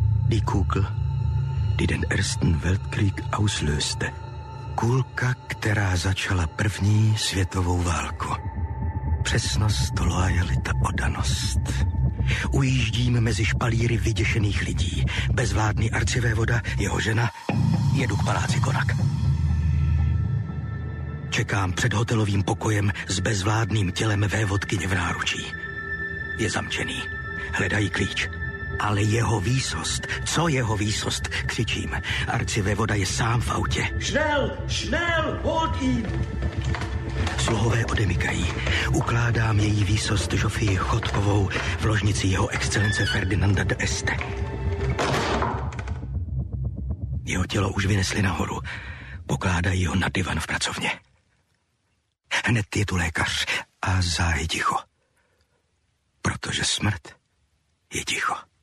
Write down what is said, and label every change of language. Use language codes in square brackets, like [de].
[de] Die Kugel, die den Ersten Weltkrieg auslöste. [cs] Kulka, která začala první světovou válku. Přesnost, loajalita, oddanost. Ujíždím mezi špalíry vyděšených lidí. Bezvládný arcivévoda, jeho žena, jedu k paláci Konak. Čekám před hotelovým pokojem s bezvládným tělem vévodkyně v náručí. Je zamčený. Hledají klíč. Ale jeho výsost, co jeho výsost, křičím. Arcivévoda je sám v autě. [de] Schnell, schnell, hold ihn! [cs] Sluhové odemykají. Ukládám její výsost Joffii Chodkovou v ložnici jeho excelence Ferdinanda de Este. Jeho tělo už vynesli nahoru. Pokládají ho na divan v pracovně. Hned je tu lékař a záhy ticho. Protože smrt je ticho.